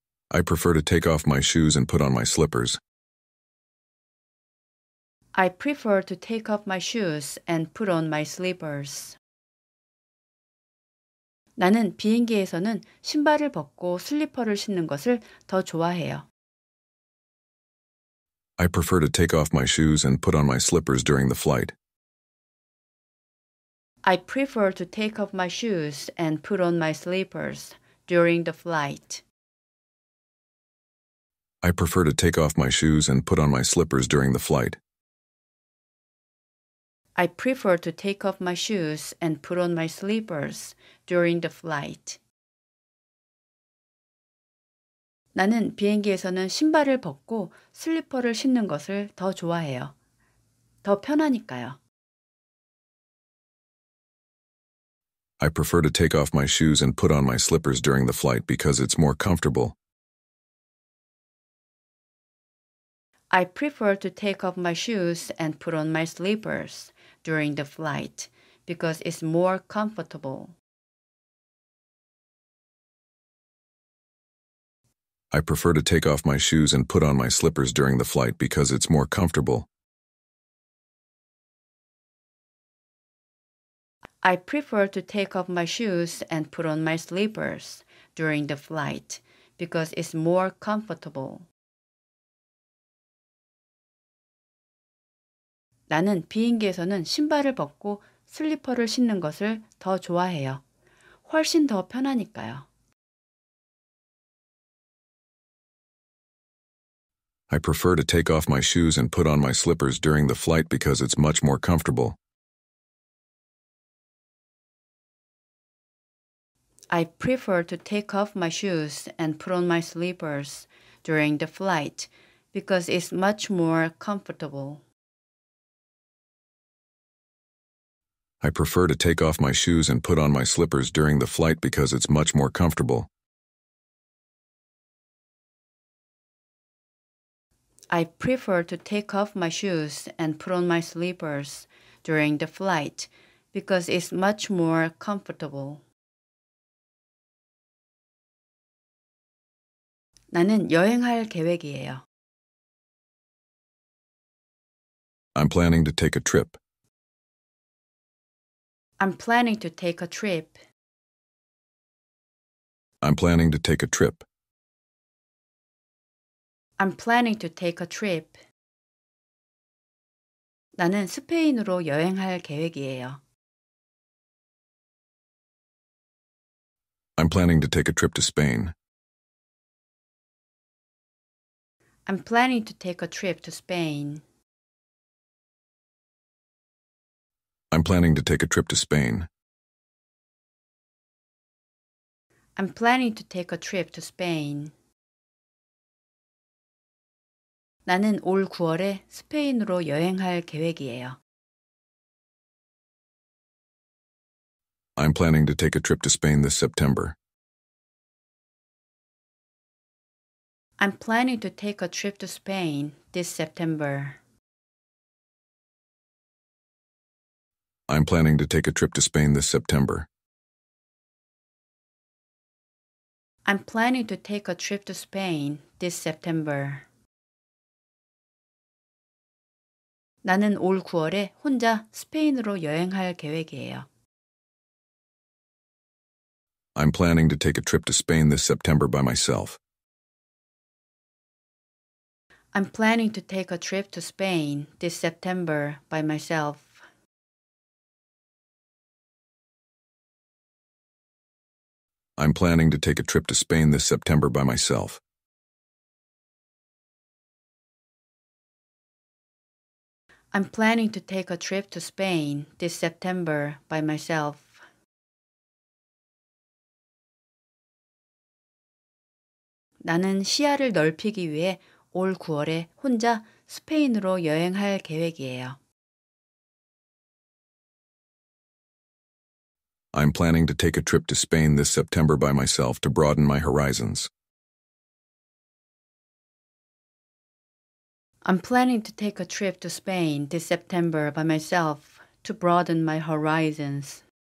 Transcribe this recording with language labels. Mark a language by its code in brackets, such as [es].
[en] I prefer to take off my shoes and put on my slippers. I prefer to take off my shoes and put on my slippers. [ko] 나는 비행기에서는 신발을 벗고 슬리퍼를 신는 것을 더 좋아해요. [en] I prefer to take off my shoes and put on my slippers during the flight. I prefer to take off my shoes and put on my slippers during the flight. I prefer to take off my shoes and put on my slippers during the flight. I prefer to take off my shoes and put on my slippers during the flight. [ko] 나는 비행기에서는 신발을 벗고 슬리퍼를 신는 것을 더 좋아해요. 더 편하니까요. [en] I prefer to take off my shoes and put on my slippers during the flight because it's more comfortable. I prefer to take off my shoes and put on my slippers during the flight because it's more comfortable. I prefer to take off my shoes and put on my slippers during the flight because it's more comfortable. I prefer to take off my shoes and put on my slippers during the flight because it's more comfortable. [ko] 나는 비행기에서는 신발을 벗고 슬리퍼를 신는 것을 더 좋아해요. 훨씬 더 편하니까요. [en] I prefer to take off my shoes and put on my slippers during the flight because it's much more comfortable. I prefer to take off my shoes and put on my slippers during the flight because it's much more comfortable. I prefer to take off my shoes and put on my slippers during the flight because it's much more comfortable. I prefer to take off my shoes and put on my slippers during the flight because it's much more comfortable. [ko] 나는 여행할 계획이에요. [en] I'm planning to take a trip. I'm planning to take a trip. I'm planning to take a trip. I'm planning to take a trip. [ko] 나는 스페인으로 여행할 계획이에요. [en] I'm planning to take a trip to Spain. I'm planning to take a trip to Spain. I'm planning to take a trip to Spain. I'm planning to take a trip to Spain. [ko] 나는 올 9월에 스페인으로 여행할 계획이에요. [en] I'm planning to take a trip to Spain this September. I'm planning to take a trip to Spain this September. I'm planning to take a trip to Spain this September. I'm planning to take a trip to Spain this September. [ko] 나는 올 9월에 혼자 스페인으로 여행할 계획이에요. [en] I'm planning to take a trip to Spain this September by myself. I'm planning to take a trip to Spain this September by myself. I'm planning to take a trip to Spain this September by myself. I'm planning to take a trip to Spain this September by myself. [ko] 나는 시야를 넓히기 위해 올 9월에 혼자 스페인으로 여행할 계획이에요. [en] I'm planning to take a trip to Spain this September by myself to broaden my horizons. I'm planning to take a trip to Spain this September by myself to broaden my horizons.